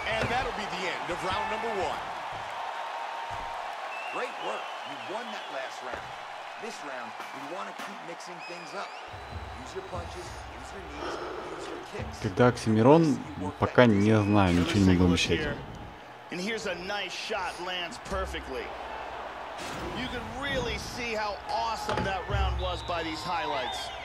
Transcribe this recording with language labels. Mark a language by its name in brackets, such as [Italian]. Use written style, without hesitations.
[English] And that'll be the end of round number one. Great work. You won that last round. This round, we want to keep mixing things up. Use your punches. [Russian] Когда Оксимирон, пока не знаю, ничего не могу обещать. [English] You can really see how awesome that round was by these highlights.